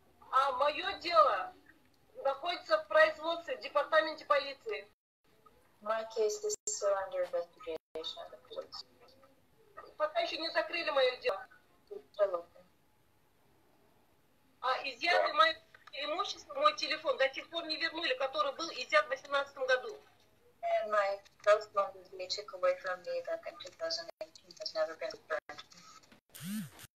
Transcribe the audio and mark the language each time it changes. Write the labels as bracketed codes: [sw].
[ru] А мое дело находится в производстве в департаменте полиции. [en] My case is still under investigation at the police. [ru] Пока еще не закрыли мое дело. А изъяты мое имущество, мой телефон до сих пор не вернули, который был изъят в 2018 году. [en] And my cell phone was being taken away from me back in 2018, has never been returned.